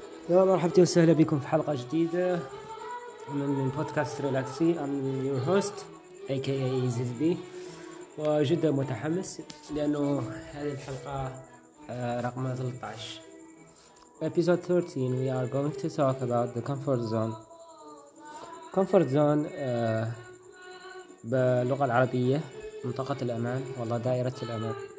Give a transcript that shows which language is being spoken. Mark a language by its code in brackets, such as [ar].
[ar] يا مرحبتي وسهلا بكم في حلقة جديدة من بودكاست ريلاكسي. [en] I'm your host aka ZB [ar] وجدا متحمس لأنه هذه الحلقة رقم 13 [en] episode 13. We are going to talk about the comfort zone. Comfort zone [ar] باللغة العربية منطقة الأمان والله دائرة الأمان.